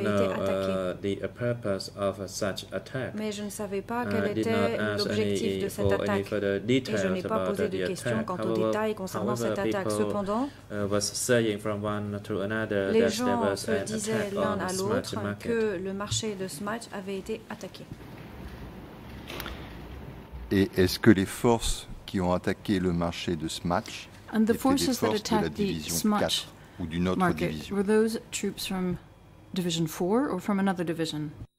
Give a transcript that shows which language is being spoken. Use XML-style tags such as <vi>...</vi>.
<en>I only heard the purpose of such attack.</en> <fr>Mais je ne savais pas quel était l'objectif de cette attaque. Et je n'ai pas posé de questions quant aux détails concernant cette attaque. Cependant, les gens se disaient l'un à l'autre que le marché de Smutch avait été attaqué. Et est-ce que les forces qui ont attaqué le marché de Smutch étaient des forces de la division 4 ou d'une autre division?</fr> <en>Were those troops from division 4 or from another division?</en>